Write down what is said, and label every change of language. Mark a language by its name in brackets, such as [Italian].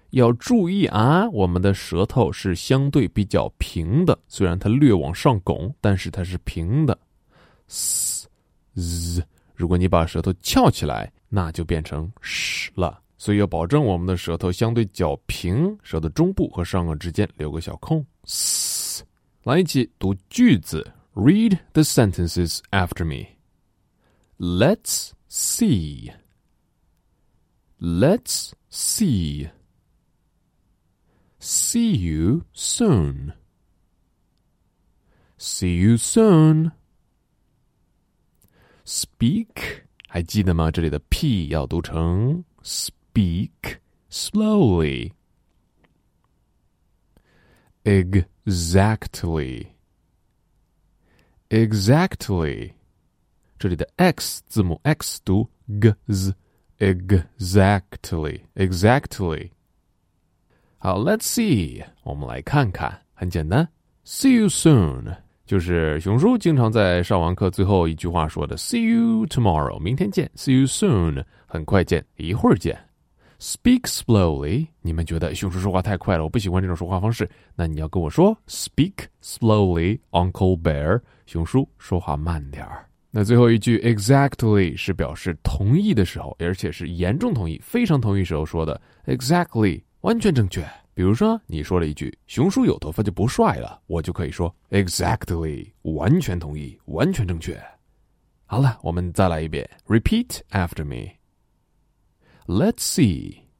[Chinese] 要注意啊，我们的舌头是相对比较平的，虽然它略往上拱，但是它是平的。 s z， 如果你把舌头翘起来，那就变成 sh 了。所以要保证我们的舌头相对较平，舌头中部和上颚之间留个小空。 s，来一起读句子。 [English] Read the sentences after me. Let's see. Let's see. See you soon. See you soon. [Chinese] Speak. 还记得吗？这里的 P 要读成 [English] Speak slowly. Exactly, exactly. [Chinese] 这里的 X 字母 X 读 gz, exactly, exactly. 好， [English] let's see, [Chinese] 我们来看看，很简单。 [English] See you soon, [Chinese] 就是熊叔经常在上完课最后一句话说的 [English] See you tomorrow, [Chinese] 明天见。 [English] See you soon, [Chinese] 很快见，一会儿见。Speak slowly, 你们觉得熊叔说话太快了，我不喜欢这种说话方式，那你要跟我说 [English] Speak slowly, Uncle Bear, [Chinese] 熊叔说话慢点。那最后一句 exactly 是表示同意的时候，而且是严重同意，非常同意时候说的， exactly 完全正确。比如说你说了一句熊叔有头发就不帅了，我就可以说 exactly 完全同意，完全正确。好了，我们再来一遍。 [English] Repeat after meLet's see.